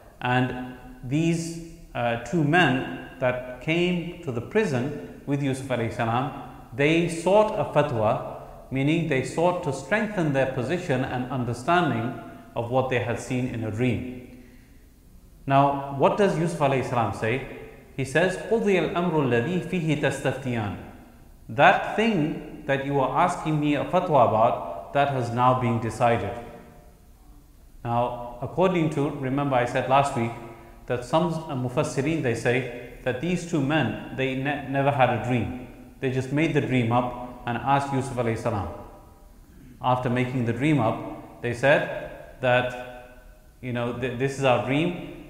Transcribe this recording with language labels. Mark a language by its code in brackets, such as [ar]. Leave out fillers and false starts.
[en] And these two men that came to the prison with Yusuf alayhi salam, they sought a fatwa, meaning they sought to strengthen their position and understanding of what they had seen in a dream. Now, what does Yusuf alayhi salam say? He says, [ar] قُضِيَ الْأَمْرُ الَّذِي فِيهِ تَسْتَفْتِيَانِ. [en] That thing that you are asking me a fatwa about, that has now been decided. Now, according to, remember I said last week, that some mufassirin, they say that these two men, they never had a dream. They just made the dream up and asked Yusuf alayhi salam. After making the dream up, they said that, you know, this is our dream.